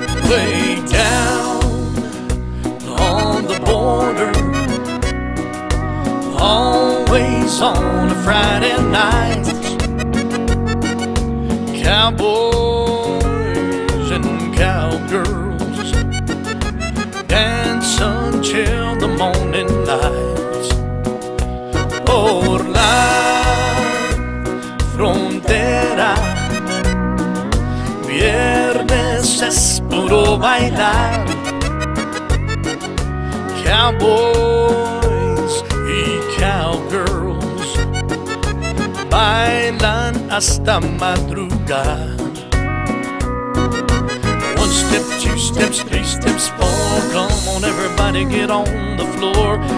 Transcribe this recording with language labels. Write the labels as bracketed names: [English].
[English] way down on the border, always on a Friday night. Cowboys and cowgirls dance until the morning light. [Spanish] Por la frontera, viernes es puro bailar. Cowboys y cowgirls bailan hasta madrugada. [English] One step, two steps, three steps, four. Come on, everybody, get on the floor.